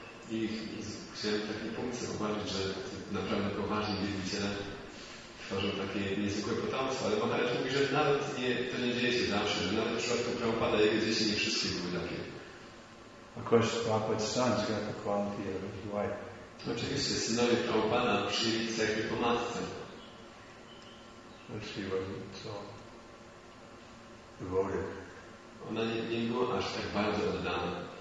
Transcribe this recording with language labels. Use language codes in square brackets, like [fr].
[pl] I chciałem w takim punkcie zauważyć, że naprawdę poważni wielbiciele tworzą takie niezwykłe potomstwo, ale Maharaj mówi, że nawet to nie dzieje się zawsze, że nawet w przypadku Prabhupada jego dzieci nie wszystkie były takie. [en] Of course, Prabhupada's son's got the quality of his wife. [pl] Oczywiście, synowie Prabhupada przyjęli cechy po matce. [en] But she wasn't so devoted. [pl] Ona nie była aż tak bardzo oddana.